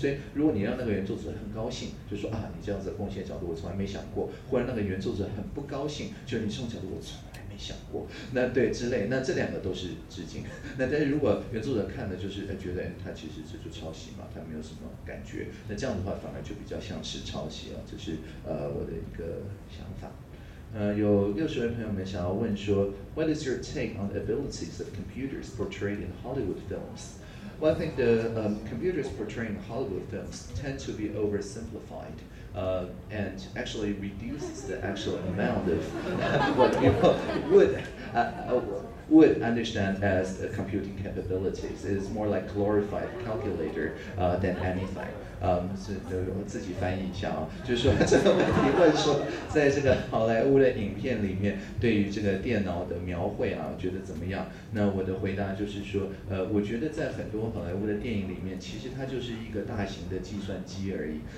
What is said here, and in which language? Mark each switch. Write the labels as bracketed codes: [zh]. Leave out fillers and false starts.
[zh] 所以如果你让那个原作者很高兴，就说啊你这样子的贡献角度我从来没想过，或者那个原作者很不高兴，就你这种角度我从来没想过，那对之类，那这两个都是致敬。那但是如果原作者看的就是觉得他其实这就抄袭嘛，他没有什么感觉，那这样的话反而就比较像是抄袭了，就是我的一个想法。有60位朋友们想要问说 ， [en] What is your take on the abilities of computers portrayed in Hollywood films？ Well, I think the computers portraying Hollywood films tend to be oversimplified and actually reduces the actual amount of what people would would understand as computing capabilities. It's more like glorified calculator than anything. [zh] 我自己翻译一下啊，就是说这个问题问说，在这个好莱坞的影片里面，对于这个电脑的描绘啊，觉得怎么样？那我的回答就是说，我觉得在很多好莱坞的电影里面，其实它就是一个大型的计算机而已。